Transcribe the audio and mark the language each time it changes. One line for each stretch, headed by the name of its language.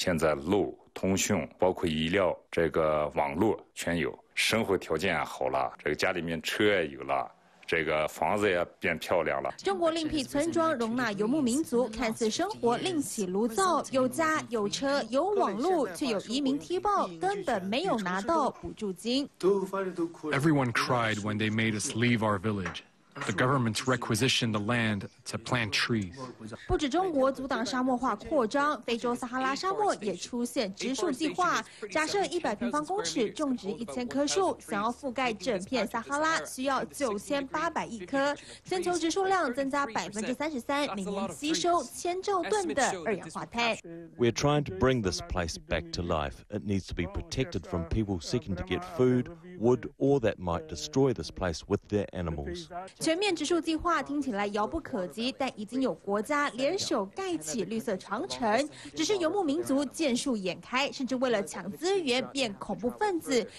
Chinese: 现在路、通讯包括医疗这个网络全有，生活条件好了，这个家里面车也有了，这个房子也变漂亮了。中国另辟村庄容纳游牧民族，看似生活另起炉灶，有家有车有网络，却有移民踢爆，根本没有拿到补助金。
English: Everyone cried when they made us leave our village. The government requisitioned the land to plant trees.
Chinese: 不止中国阻挡沙漠化扩张，非洲撒哈拉沙漠也出现植树计划，假设100平方公尺种植1000棵树，想要覆盖整片撒哈拉需要9800亿棵。全球植树量增加33%，每年吸收千兆吨的二氧化碳。
English: We're trying to bring this place back to life. It needs to be protected from people seeking to get food. Wood or that might destroy this place with their animals.
Chinese: 全面植树计划听起来遥不可及，但已经有国家联手盖起绿色长城。只是游牧民族见树眼开，甚至为了抢资源变恐怖分子。